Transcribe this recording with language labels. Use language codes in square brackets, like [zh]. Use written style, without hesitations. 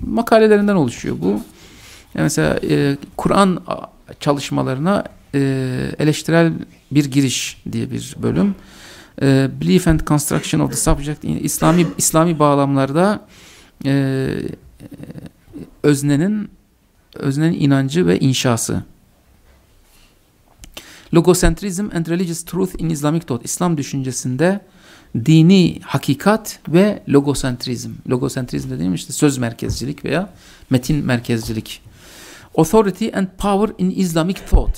[tr] Makalelerinden oluşuyor bu. Yani mesela Kur'an çalışmalarına eleştirel bir giriş diye bir bölüm. [en] Belief and Construction of the Subject in [tr] İslami bağlamlarda öznenin inancı ve inşası. [en] Logocentrism and Religious Truth in Islamic Thought. [tr] İslam düşüncesinde dini hakikat ve logocentrizm. Logocentrizm dediğim işte söz merkezcilik veya metin merkezcilik. [en] Authority and Power in Islamic Thought.